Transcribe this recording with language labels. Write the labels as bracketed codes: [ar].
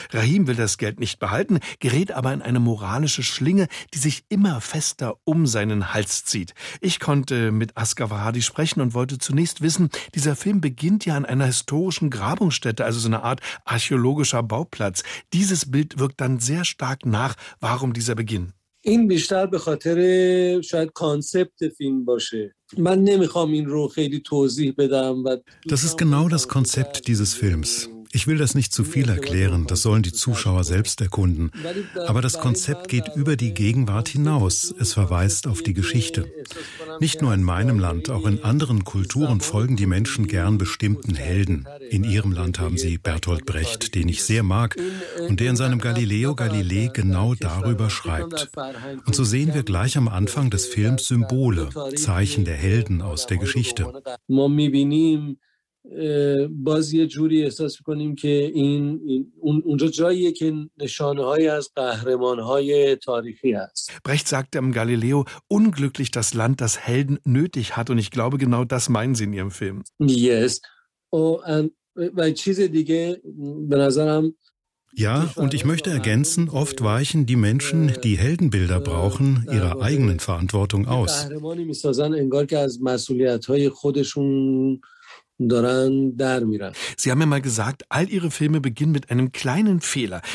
[de] Rahim will das Geld nicht behalten, gerät aber in eine moralische Schlinge, die sich immer fester um seinen Hals zieht. Ich konnte mit Asghar Farhadi sprechen und wollte zunächst wissen, dieser Film beginnt ja an einer historischen Grabungsstätte, also so eine Art archäologischer Bauplatz. Dieses Bild wirkt dann sehr stark nach. Warum dieser Beginn? [fa] این بیشتر به خاطر شاید کانسپت فیلم باشه. من نمیخوام این رو خیلی توضیح بدم و [de] Das ist genau das Konzept dieses Films. Ich will das nicht zu viel erklären, das sollen die Zuschauer selbst erkunden. Aber das Konzept geht über die Gegenwart hinaus, es verweist auf die Geschichte. Nicht nur in meinem Land, auch in anderen Kulturen folgen die Menschen gern bestimmten Helden. In ihrem Land haben sie Bertolt Brecht, den ich sehr mag und der in seinem Galileo Galilei genau darüber schreibt. Und so sehen wir gleich am Anfang des Films Symbole, Zeichen der Helden aus der Geschichte. [fa] باز یه جوری احساس می‌کنیم که این اونجا جاییه که نشانه‌هایی از قهرمان‌های تاریخی است. [de] Brecht sagte im Galileo: Unglücklich das Land, das Helden nötig hat, und ich glaube genau das meinen sie in ihrem Film. [en] Yes. [fa] Und چیز دیگه به نظرم [de] Ja, und ich möchte ergänzen, oft weichen die Menschen, die Heldenbilder brauchen, ihrer eigenen Verantwortung aus. Sie haben mir mal gesagt, all Ihre Filme beginnen mit einem kleinen Fehler.